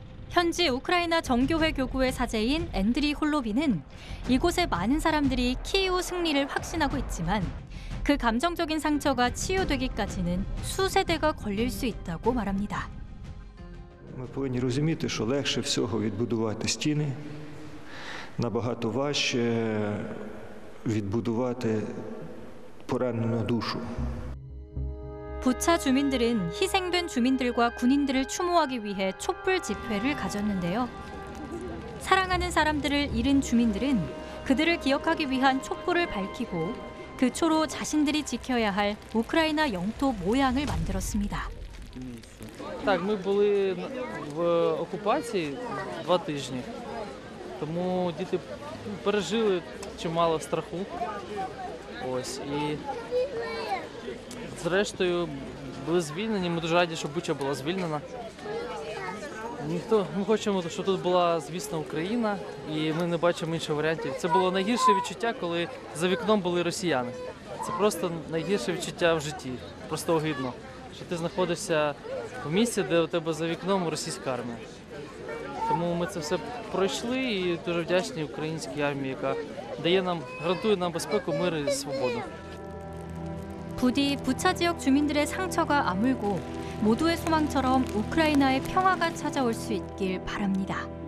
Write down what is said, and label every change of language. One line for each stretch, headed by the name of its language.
Korean: 현지 우크라이나 정교회 교구의 사제인 앤드리 홀로빈은 이곳에 많은 사람들이 키이우 승리를 확신하고 있지만 그 감정적인 상처가 치유되기까지는 수세대가 걸릴 수 있다고 말합니다.
Ukrainian: Ми повинні розуміти, що легше всього відбудувати стіни, набагато важче відбудувати поранену душу.
Korean: 부차 주민들은 희생된 주민들과 군인들을 추모하기 위해 촛불 집회를 가졌는데요. 사랑하는 사람들을 잃은 주민들은 그들을 기억하기 위한 촛불을 밝히고 그 초로 자신들이 지켜야 할 우크라이나 영토 모양을 만들었습니다.
Ukrainian: Так, ми були в окупації 2 тижні. Тому діти пережили чимало страху. Ось і зрештою були звільнені. Ми дуже раді, що Буча була звільнена. Ми хочемо, щоб тут була, звісно, Україна, і ми не бачимо інших варіантів. Це було найгірше відчуття, коли за вікном були росіяни. Це просто найгірше відчуття в житті. Просто огидно, що ти знаходишся в місці, де у тебе за вікном російська армія. Тому ми це все пройшли і дуже вдячні українській армії, яка дає нам, гарантує нам безпеку, мир і свободу.
Korean: 부디 부차 지역 주민들의 상처가 아물고 모두의 소망처럼 우크라이나의 평화가 찾아올 수 있길 바랍니다.